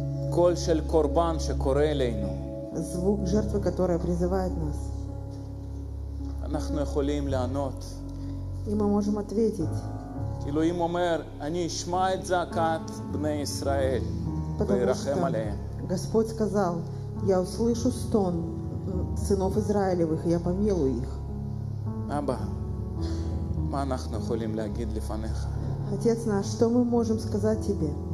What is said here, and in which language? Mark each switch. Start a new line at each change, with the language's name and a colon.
Hebrew: קול של קורבן שקורא אלינו
Russian: звук жертвы которая призывает нас
Hebrew: אנחנו יכולים לענות אם
Russian: мы можем ответить
Hebrew: אלוהים אומר אני אשמע את זעקת בני ישראל וירחם עליהם
Russian: Господь сказал я услышу стон сынов израилевых я помилую их
Hebrew: אבא מה אנחנו יכולים להגיד לפניך
Russian: Отец наш, что мы можем сказать тебе?